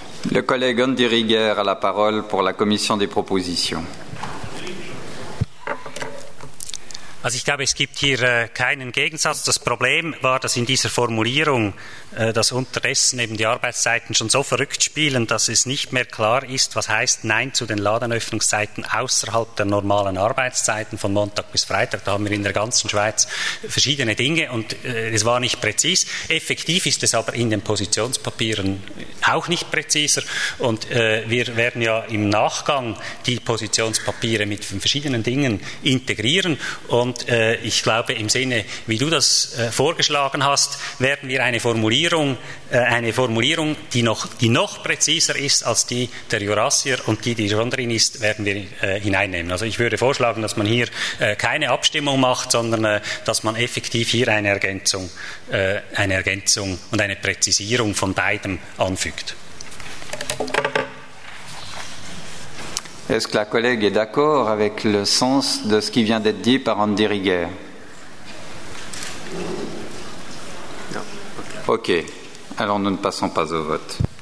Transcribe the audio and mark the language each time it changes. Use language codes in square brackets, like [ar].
[fr] Le collègue Andy Rieger a la parole pour la commission des propositions. [de] Also ich glaube, es gibt hier keinen Gegensatz. Das Problem war, dass in dieser Formulierung, dass unterdessen eben die Arbeitszeiten schon so verrückt spielen, dass es nicht mehr klar ist, was heißt Nein zu den Ladenöffnungszeiten außerhalb der normalen Arbeitszeiten von Montag bis Freitag. Da haben wir in der ganzen Schweiz verschiedene Dinge und es war nicht präzis. Effektiv ist es aber in den Positionspapieren auch nicht präziser und wir werden ja im Nachgang die Positionspapiere mit verschiedenen Dingen integrieren. Und ich glaube, im Sinne, wie du das vorgeschlagen hast, werden wir eine Formulierung, die noch präziser ist als die der Jurassier und die schon drin ist, werden wir hineinnehmen. Also ich würde vorschlagen, dass man hier keine Abstimmung macht, sondern dass man effektiv hier eine Ergänzung und eine Präzisierung von beidem anfügt. [fr] Est-ce que la collègue est d'accord avec le sens de ce qui vient d'être dit par Andy Rieger? Non. Ok. Alors nous ne passons pas au vote.